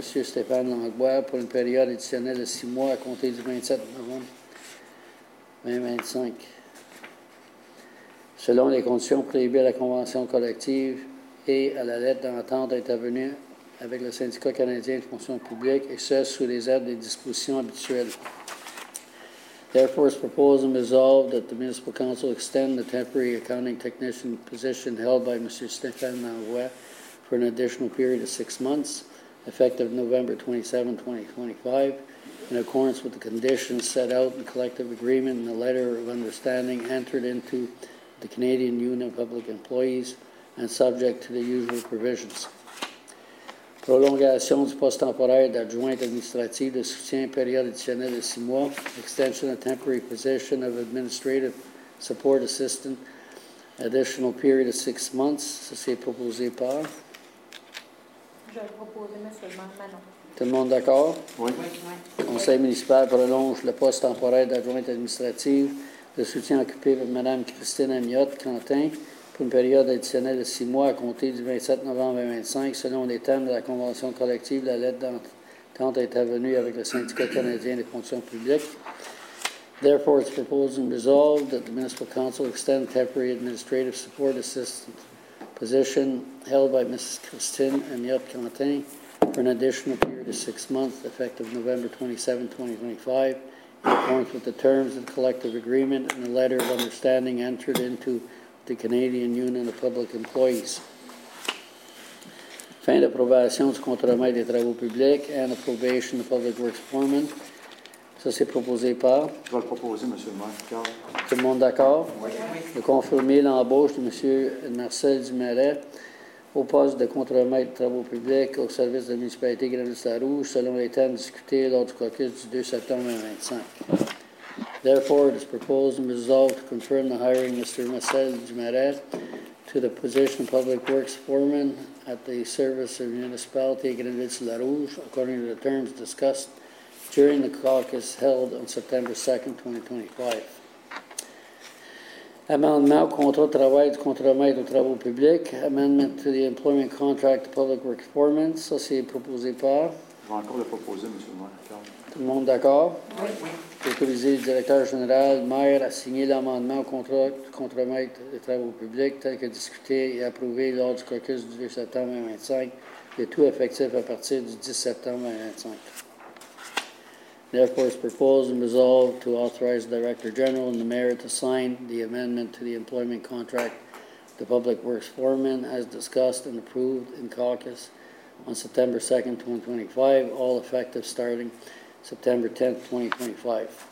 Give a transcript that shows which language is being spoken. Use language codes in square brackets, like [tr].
[fr] Stéphane Langlois pour une période additionnelle de 6 mois à compter du 27 novembre 2025. Selon les conditions prévues à la convention collective et à la lettre d'entente intervenue avec le syndicat canadien de fonction publique et ce, sous les aides des dispositions habituelles. [en] Therefore, it's proposed and resolved that the Municipal Council extend the temporary accounting technician position held by Mr. Stéphane Langlois for an additional period of 6 months, effective November 27, 2025, in accordance with the conditions set out in the collective agreement and the letter of understanding entered into the Canadian Union of Public Employees and subject to the usual provisions. [fr] Prolongation du poste temporaire d'adjoint administratif de soutien, période additionnelle de 6 mois. [en] Extension of temporary position of administrative support assistant, additional period of 6 months. [fr] Ça, c'est proposé par? Je propose, M. Manon. Tout le monde d'accord? Oui. Conseil municipal prolonge le poste temporaire d'adjoint administratif de soutien occupé par Mme Christine Amiotte-Quentin. Pour une période additionnelle de 6 mois à compter du 27 novembre 2025, selon les termes de la convention collective, la lettre d'entente est intervenue avec le syndicat canadien des conditions publiques. [en] Therefore, it's proposed and resolved that the Municipal Council extend temporary administrative support assistant position held by Mrs. Christine Amiotte-Quentin for an additional period of 6 months, effective November 27, 2025, in accordance with the terms of the collective agreement and the letter of understanding entered into the Canadian Union of Public Employees. [fr] Fin d'approbation du contremaître des travaux publics [en] and approbation of public works foreman. [fr] Ça, c'est proposé par? Je vais le proposer, M. le maire. Tout le monde d'accord? Oui. De confirmer l'embauche de M. Marcel Dumaret au poste de contremaître des travaux publics au service de la municipalité Grenoble-Larouche selon les termes discutés lors du caucus du 2 septembre 2025. [en] Therefore, it is proposed and resolved to confirm the hiring of Mr. Marcel Dumaret to the position of Public Works Foreman at the service of Municipality Grenoble-Larouche, according to the terms discussed during the caucus held on September 2, 2025. [fr] Amendment au contrat de travail du contremaître aux travaux publics. [en] Amendment to the employment contract of Public Works Foreman. [fr] Ça, c'est proposé par? Je vais encore le proposer, M. le maire. Tout le monde d'accord? Oui. Autoriser le directeur général, maire, à signer l'amendement au contrat du contremaître des travaux publics tel que discuté et approuvé lors du caucus du 2 septembre 2025 et tout effectif à partir du 10 septembre 2025. [en] Therefore, it's proposed and resolved to authorize the director general and the mayor to sign the amendment to the employment contract the public works foreman as discussed and approved in caucus on September 2, 2025, all effective starting September 10, 2025.